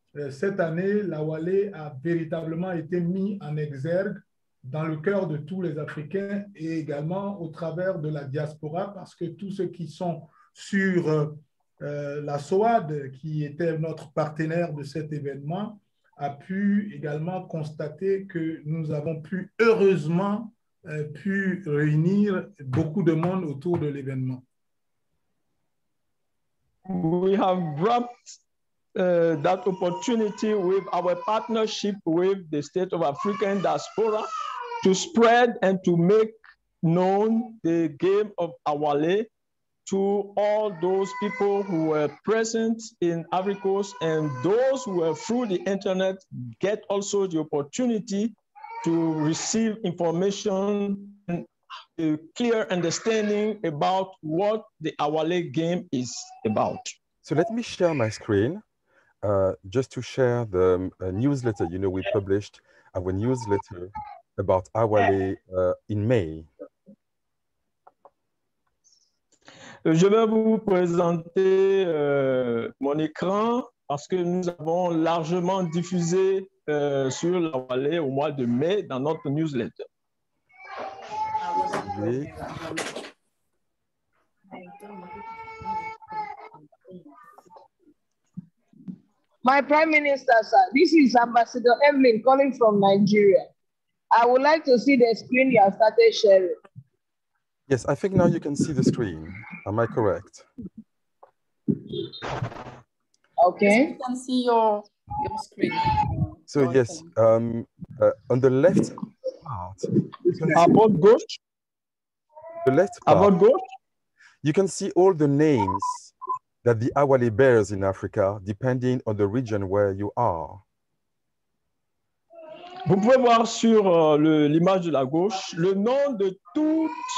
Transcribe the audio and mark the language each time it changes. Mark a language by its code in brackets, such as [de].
[fr] cette année, l'Awale a véritablement été mis en exergue dans le cœur de tous les Africains et également au travers de la diaspora, parce que tous ceux qui sont sur la SOAD, qui était notre partenaire de cet événement, a pu également constater que nous avons pu, heureusement, pu réunir beaucoup de monde autour de l'événement. [en] We have grabbed that opportunity with our partnership with the State of African Diaspora to spread and to make known the game of Awale to all those people who were present in Africa's and those who were through the internet get also the opportunity to receive information and a clear understanding about what the Awale game is about. So let me share my screen just to share the newsletter. You know, we published our newsletter about Awale in May. [fr] Je vais vous présenter mon écran parce que nous avons largement diffusé sur la Wallée au mois de mai dans notre newsletter. Oui. [en] My Prime Minister, sir, this is Ambassador Evelyn calling from Nigeria. I would like to see the screen you have started sharing. Yes, I think now you can see the screen. Am I correct? Okay. Yes, we can see your screen. So yes, on the left part. About Gauche? The left part. About Gauche? You can see all the names that the Awale bears in Africa, depending on the region where you are. [fr] Vous pouvez voir sur l'image de la gauche le nom de toutes...